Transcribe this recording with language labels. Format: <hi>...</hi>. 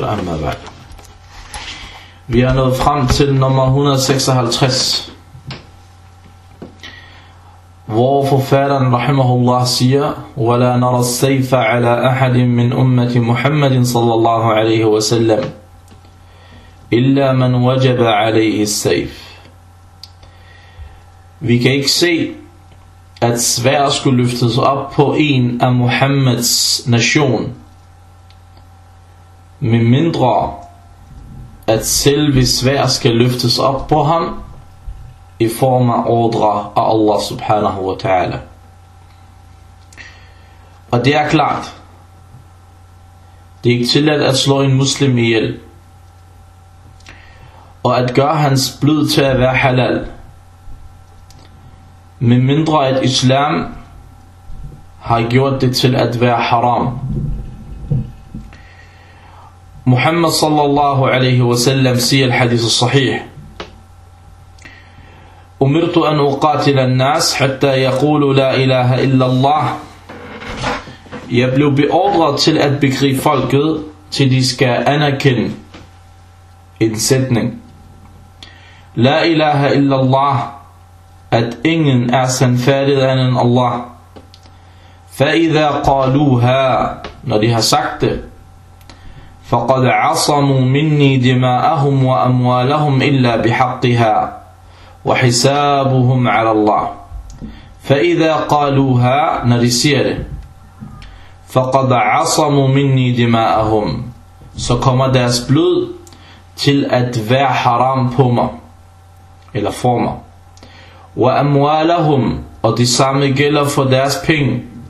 <ar>أما بعد،</ar> <da>vi er nået frem til nummer 156, hvor forfatteren rahimahullah siger:</da> <ar>ولا نرى السيف على احد من امه محمد صلى الله عليه وسلم الا من وجب عليه السيف.</ar> <da>Vi kan ikke se at sværd skulle løftes op på en af Muhammeds nation, med mindre at selve sværd skal løftes op på ham i form af ordre af Allah subhanahu wa ta'ala. Og det er klart, det er ikke tilladt at slå en muslim ihjel, og at gøre hans blod til at være halal, med mindre at islam har gjort det til at være haram. Muhammad sallallahu alaihi wa sallam siger al-hadith al-sahih:</da> <ar>أمرت أن أقاتل الناس حتى يقولوا لا إله إلا الله.</ar> <da>Jeg blev beordret til at begribe folket, til de skal anerkende en sætning:</da> <ar>لا إله إلا الله,</ar> <da>at ingen er sandfærdig end Allah.</da> <ar>فإذا قالوها,</ar> <da>når de har sagt det,</da> <ar>فقد عصموا مني دماءهم وأموالهم إلا بحقها وحسابهم على الله. فإذا قالوها,</ar> <da>når de siger det,</da> <ar>فقد عصموا مني دماءهم,</ar> <da>så kommer deres blod til at være haram på mig eller for mig. وأموالهم, og det samme gælder for deres penge.</da>